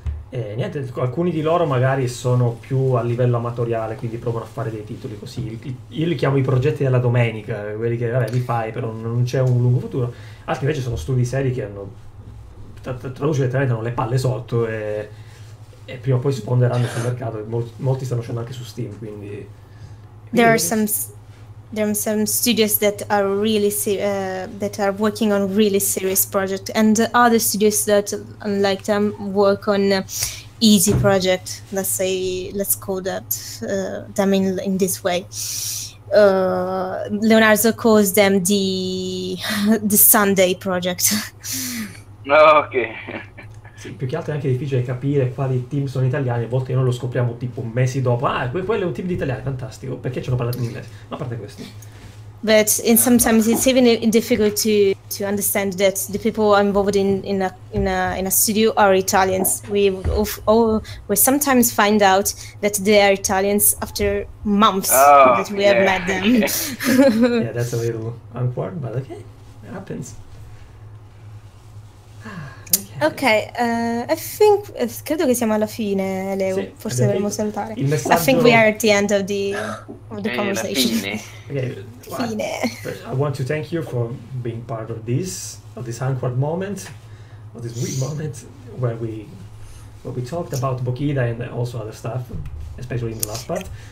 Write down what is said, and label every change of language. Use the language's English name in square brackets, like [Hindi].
[Italian] Niente, alcuni di loro magari sono più a livello amatoriale, quindi provano a fare dei titoli così. Io li chiamo i progetti della domenica, quelli che vabbè, li fai, però non c'è un lungo futuro. Altri invece sono studi seri che hanno traduce letteralmente, hanno le palle sotto e prima o poi sponderanno sul mercato. Molti stanno uscendo anche su Steam, quindi [English] there are some studios that are really that are working on really serious project, and other studios that unlike them work on easy project, let's call them in this way. Leonardo calls them the Sunday project. Okay. [Italian] Sì, più che altro è anche difficile capire quali team sono italiani, a volte noi lo scopriamo tipo mesi dopo. Ah, quello è un team di italiani, fantastico, perché ci hanno parlato in inglese? Ma a parte questo. [English] But in sometimes it's even difficult to understand that the people involved in a studio are Italians. We sometimes find out that they are Italians after months that we have met them. Yeah, that's a little awkward, but okay, it happens. [Italian] Okay, credo che siamo alla fine, Leo. Sì, forse dovremmo salutare. Il messaggio... [English] I think we are at the end of the conversation. Fine. I want to thank you for being part of this awkward moment. or this weird moment where we talked about Bokida and also other stuff, especially in the last part.